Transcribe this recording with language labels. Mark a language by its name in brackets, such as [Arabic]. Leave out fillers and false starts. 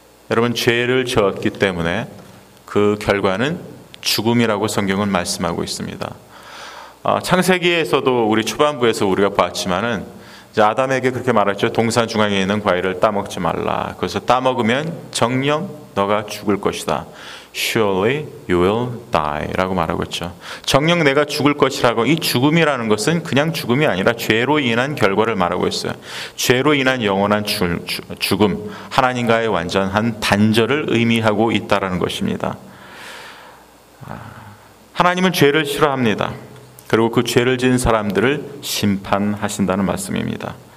[Korean] 여러분, 죄를 지었기 때문에 그 결과는 죽음이라고 성경은 말씀하고 있습니다. 창세기에서도 우리 초반부에서 우리가 봤지만은 이제 아담에게 그렇게 말했죠. 동산 중앙에 있는 과일을 따먹지 말라. 그래서 따먹으면 정녕 너가 죽을 것이다. [English] Surely you will die [Korean] 라고 말하고 있죠. 정녕 내가 죽을 것이라고. 이 죽음이라는 것은 그냥 죽음이 아니라 죄로 인한 결과를 말하고 있어요. 죄로 인한 영원한 죽음, 하나님과의 완전한 단절을 의미하고 있다는 것입니다. 하나님은 죄를 싫어합니다. 그리고 그 죄를 지은 사람들을 심판하신다는 말씀입니다.